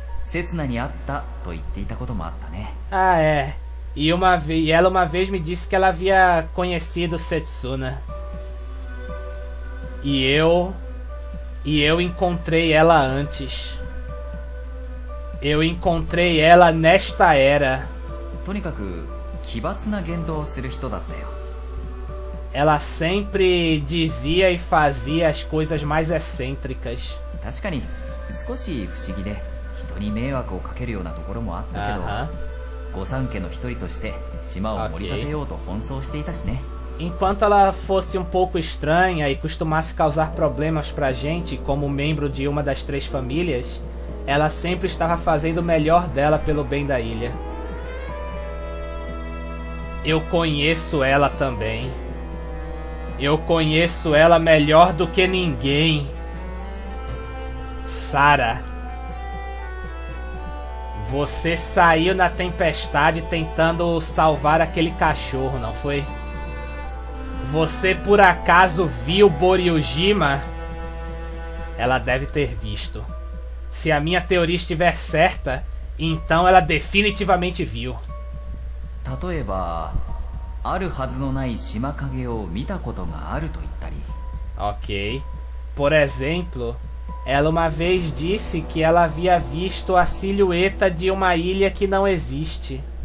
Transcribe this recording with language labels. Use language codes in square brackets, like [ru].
[ja] 刹那に会ったと言っていたこともあったね。 [pt] Ah, é. E uma vez, ela uma vez me disse que ela havia conhecido Setsuna. E eu encontrei ela antes. Eu encontrei ela nesta era. [ja] とにかく, 奇抜な言動をする人だったよ. [pt] Ela sempre dizia e fazia as coisas mais excêntricas. [ja] 確かに少し不思議で 人に迷惑をかけるようなところもあったけど、御三家の一人として島を盛り立てようと奔走していたしね。 [pt] Enquanto ela fosse um pouco estranha e costumasse causar problemas pra gente como membro de uma das três famílias, ela sempre estava fazendo o melhor dela pelo bem da ilha. Eu conheço ela também. Eu conheço ela melhor do que ninguém. Sarah. Você saiu na tempestade tentando salvar aquele cachorro, não foi? Você por acaso viu Boryujima? Ela deve ter visto. Se a minha teoria estiver certa, então ela definitivamente viu. [ja] Tatoeba, あるはずのない島影を見たことがあると言ったり. [pt] Ok. Por exemplo, ela uma vez disse que ela havia visto a silhueta de uma ilha que não existe.